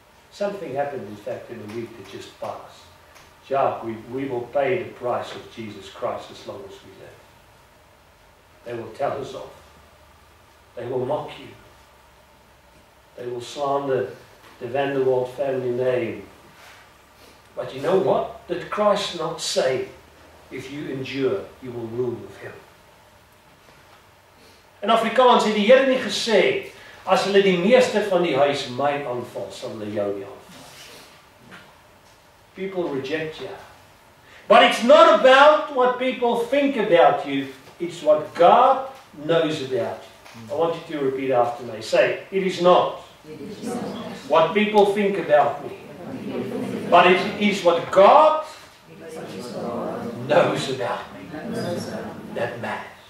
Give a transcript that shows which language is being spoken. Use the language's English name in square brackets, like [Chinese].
[English] Something happened, in fact, in the week that just passed. Jack, we will pay the price of Jesus Christ as long as we live. They will tell us off. They will mock you. They will slander the Van der Waal family name. But you know what? Did Christ not say, if you endure, you will rule with him? In Afrikaans, [Afrikaans] het die Heer nie gesê, as hulle die meester van die huis my aanval, sal hulle jou nie aanval. [English] People reject you. But it's not about what people think about you, it's what God knows about you. I want you to repeat after me. Say, it is not what people think about me, but it is what God knows about me that matters.